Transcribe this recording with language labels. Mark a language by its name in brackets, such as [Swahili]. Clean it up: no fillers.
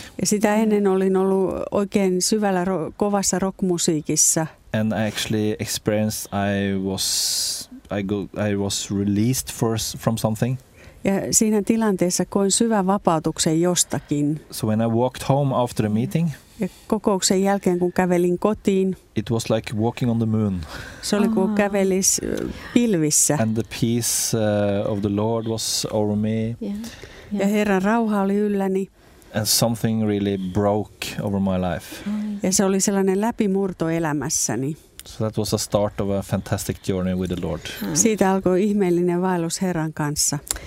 [Finnish] Ja sitä ennen olin ollut oikein syvällä kovassa rockmusiikissa. [English] And I actually experienced I was released from something. [Finnish] Ja siinä tilanteessa koin syvän vapautuksen jostakin. [English] So when I walked home after the meeting. [Finnish] Ja kokouksen jälkeen kun kävelin kotiin. [English] It was like walking on the moon. [Finnish] Se oli kuin kävelis pilvissä. [English] And the peace of the Lord was over me. Yeah. [Finnish] Ja Herran rauha oli ylläni. [English] And something really broke over my life. [Finnish] Ja se oli sellainen läpimurto elämässäni. [English] So that was the start of a fantastic journey with the Lord. [Finnish] Siitä alkoi ihmeellinen vaellus Herran kanssa.